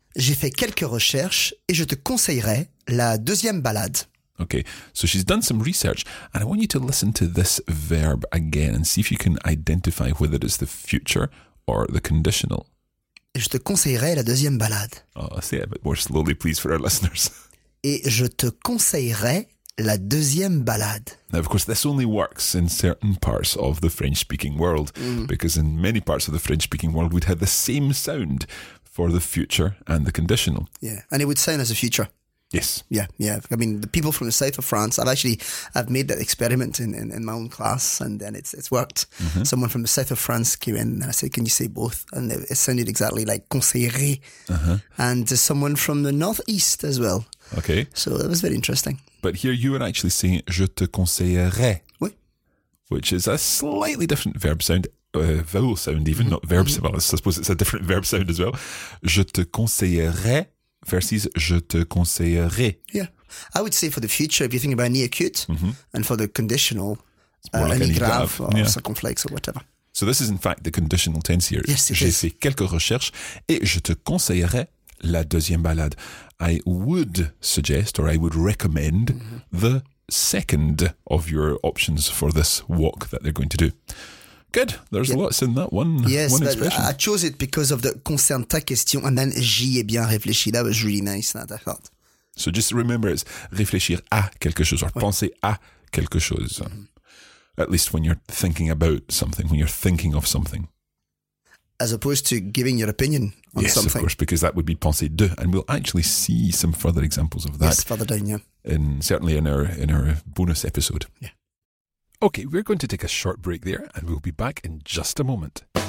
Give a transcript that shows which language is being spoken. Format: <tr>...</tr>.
<fr>J'ai fait quelques recherches et je te conseillerais la deuxième balade.</fr> <en>Okay, so she's done some research, and I want you to listen to this verb again and see if you can identify whether it's the future or the conditional.</en> <fr>Je te conseillerais la deuxième balade.</fr> <en>Oh, say it a bit more slowly, please, for our listeners.</en> <fr>Et je te conseillerais la deuxième balade.</fr> <en>Now, of course, this only works in certain parts of the French-speaking world, because in many parts of the French-speaking world, we'd have the same sound for the future and the conditional. Yeah, and it would sound as a future. Yes. Yeah, yeah. I mean, the people from the south of France, I've made that experiment in my own class, and then it's worked. Mm-hmm. Someone from the south of France came in, and I said, can you say both? And it sounded exactly like conseillerie. Uh-huh. And someone from the northeast as well. Okay. So that was very interesting. But here you were actually saying,</en> <fr>je te conseillerais. Oui.</fr> <en>Which is a slightly different verb sound, vowel sound even, not verb sound. Well, I suppose it's a different verb sound as well.</en> <fr>Je te conseillerais. Versus je te conseillerais.</fr> <en>Yeah. I would say for the future, if you think about an acute, and for the conditional, like any grave or circumflex or whatever. So this is in fact the conditional tense here. Yes,</en> <fr>j'ai fait quelques recherches et je te conseillerais la deuxième balade.</fr> <en>I would suggest or I would recommend the second of your options for this walk that they're going to do. Good. There's lots in that one. Yes, one but expression. I chose it because of the concern ta question, and then</en> <fr>j'y ai bien réfléchi.</fr> <en>That was really nice, that I thought. So just remember, it's</en> <fr>réfléchir à quelque chose</fr> <en>or</en> <fr>penser à quelque chose.</fr> <en>At least when you're thinking about something, when you're thinking of something. As opposed to giving your opinion on something. Yes, of course, because that would be</en> <fr>penser de.</fr> <en>And we'll actually see some further examples of that. Yes, further down, yeah. Certainly in our bonus episode. Yeah. Okay, we're going to take a short break there and we'll be back in just a moment.</en>